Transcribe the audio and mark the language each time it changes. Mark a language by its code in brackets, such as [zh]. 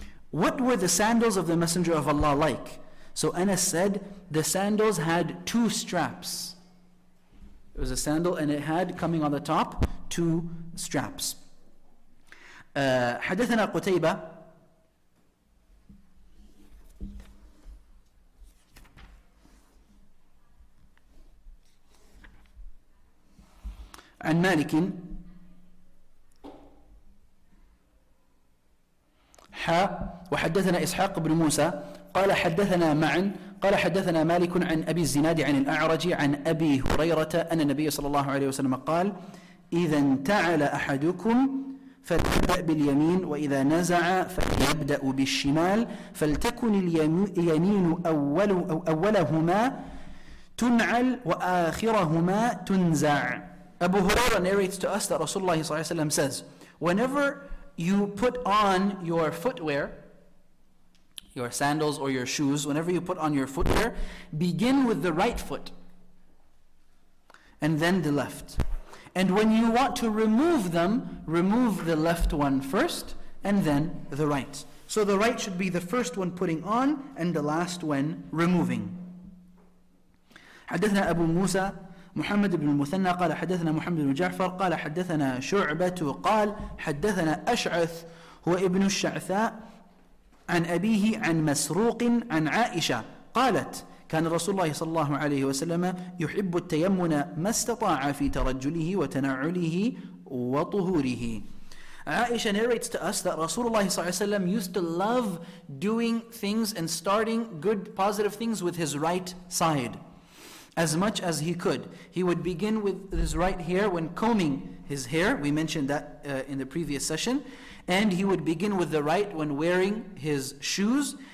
[en] What were the sandals of the Messenger of Allah like? So Anas said, the sandals had two straps. It was a sandal and it had, coming on the top, two straps. [ar] حدثنا قتيبة عن مالك حا وحدثنا إسحاق بن موسى قال حدثنا معا قال حدثنا مالك عن أبي الزناد عن الأعرج عن أبي هريرة أن النبي صلى الله عليه وسلم قال إذا انتعل أحدكم فليبدأ باليمين وإذا نزع فليبدأ بالشمال فلتكن اليمين أولهما تنعل وآخرهما تنزع. [en] Abu Huraira narrates to us that Rasulullah [ar] صلى الله عليه وسلم [en] says, whenever you put on your footwear, your sandals or your shoes, whenever you put on your footwear, begin with the right foot and then the left. And when you want to remove them, remove the left one first and then the right. So the right should be the first one putting on and the last one removing. [ar] حدثنا أبو موسى محمد بن المثنى قال حدثنا محمد بن جعفر قال حدثنا شعبة قال حدثنا أشعث هو ابن الشعثاء عن أبيه عن مسروق عن عائشة قالت كان رسول الله صلى الله عليه وسلم يحب التيمن ما استطاع في ترجله وتنعله وطهوره. [en] Aisha narrates to us that Rasulullah [ar] صلى الله عليه وسلم [en] used to love doing things and starting good positive things with his right side as much as he could. He would begin with his right hair when combing his hair. We mentioned that in the previous session. And he would begin with the right when wearing his shoes.